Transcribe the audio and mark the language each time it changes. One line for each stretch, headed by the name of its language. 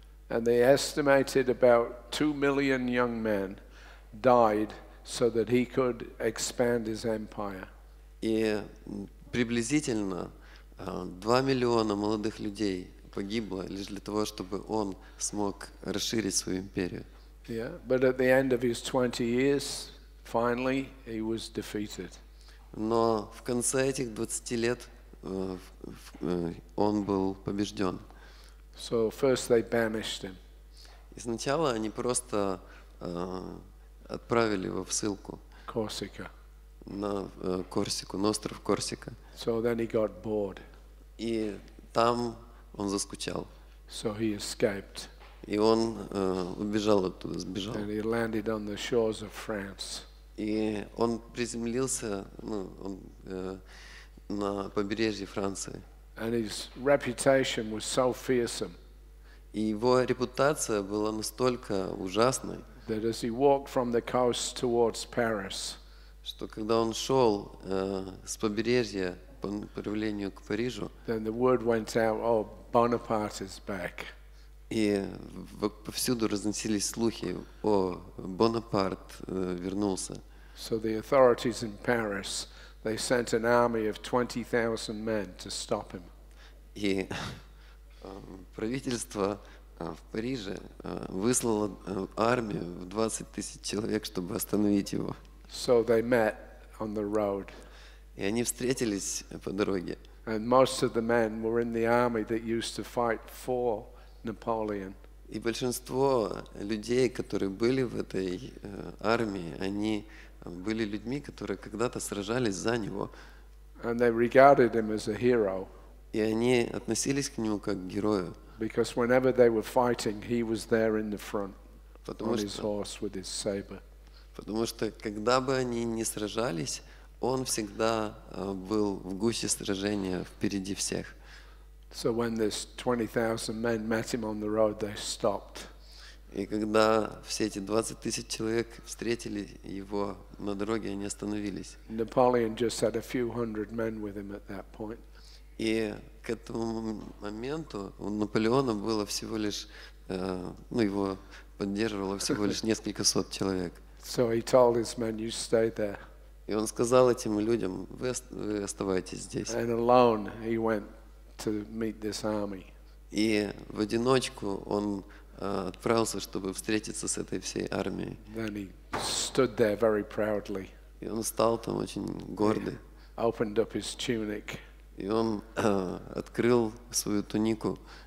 English: And they estimated about 2 million young men died so that he could expand his empire.
Russian: И приблизительно 2 миллиона молодых людей погибло лишь для того, чтобы он смог расширить свою империю.
English: Yeah, but at the end of his 20 years, finally, he was defeated.
Russian: Но в конце этих 20 лет он был побежден.
English: So first they banished him.
Russian: И сначала они просто отправили его в ссылку. Корсика. На Корсику, на остров Корсика.
English: So then he got bored.
Russian: И там он заскучал.
English: So he escaped.
Russian: И он убежал оттуда, сбежал.
English: And he landed on the shores of France.
Russian: И он приземлился, ну, он, на побережье Франции.
English: And his reputation was so fearsome.
Russian: И его репутация была настолько ужасной,
English: that as he walked from the coast towards Paris,
Russian: что когда он шел с побережья по направлению к Парижу,
English: then the word went out, oh, Bonaparte is back.
Russian: И повсюду разносились слухи, о, Бонапарт вернулся.
English: So the authorities in Paris, they sent an army of 20,000 men to stop him.
Russian: И правительство в Париже выслало армию в 20 тысяч человек, чтобы остановить его.
English: So they met on the road.
Russian: И они встретились по дороге.
English: And most of the men were in the army that used to fight for Napoleon.
Russian: И большинство людей, которые были в этой армии, они были людьми, которые когда-то сражались за него.
English: And they regarded him as a hero.
Russian: И они относились к нему как к герою.
English: Because whenever they were fighting, he was there in the front on his horse with his saber.
Russian: Потому что когда бы они ни сражались, он всегда был в гуще сражения, впереди всех.
English: So when this 20,000 men met him on the road, they stopped.
Russian: И когда все эти 20 тысяч человек встретили его на дороге, они остановились.
English: Napoleon just had a few hundred men with him at that point.
Russian: И к этому моменту у Наполеона было всего лишь, ну, его поддерживало всего лишь несколько сот человек.
English: So he told his men, "You stay there."
Russian: И он сказал этим людям: вы оставайтесь здесь.
English: And alone he went to meet this army.
Russian: И в одиночку он отправился, чтобы встретиться с этой всей армией.
English: Then he stood there very proudly.
Russian: И он стал там очень гордый.
English: He opened up his tunic.
Russian: И он открыл свою тунику.